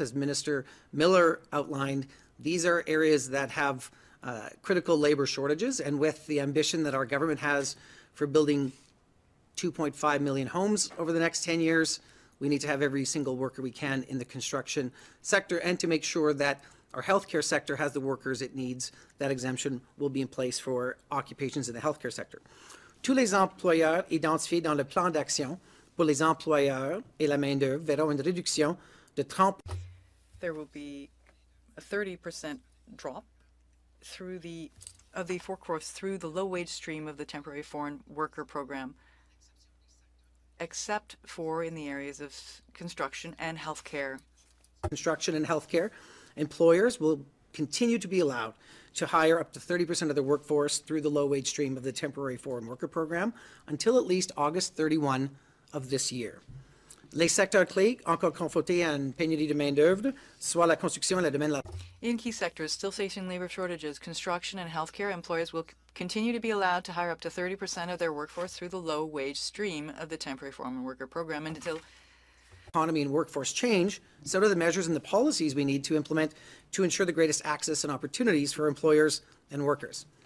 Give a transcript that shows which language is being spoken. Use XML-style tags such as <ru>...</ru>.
<en>As Minister Miller outlined, these are areas that have critical labor shortages, and with the ambition that our government has for building 2.5 million homes over the next 10 years, we need to have every single worker we can in the construction sector, and to make sure that our healthcare sector has the workers it needs, that exemption will be in place for occupations in the healthcare sector.</en> <fr>Tous les employeurs identifiés dans le plan d'action pour les employeurs et la main-d'œuvre verront une réduction de 30.</fr> <en>There will be a 30% drop through the of the workforce through the low wage stream of the temporary foreign worker program, except for in the areas of construction and healthcare. Construction and healthcare, employers will continue to be allowed to hire up to 30% of their workforce through the low wage stream of the temporary foreign worker program until at least August 31 of this year.</en> <fr>Les secteurs clés encore confrontés à une pénurie de main d'œuvre, soit la construction et le domaine.</fr> <en>In key sectors still facing labor shortages, construction and healthcare, employers will continue to be allowed to hire up to 30% of their workforce through the low wage stream of the temporary foreign worker program until economy and workforce change, so do the measures and the policies we need to implement to ensure the greatest access and opportunities for employers and workers.</en>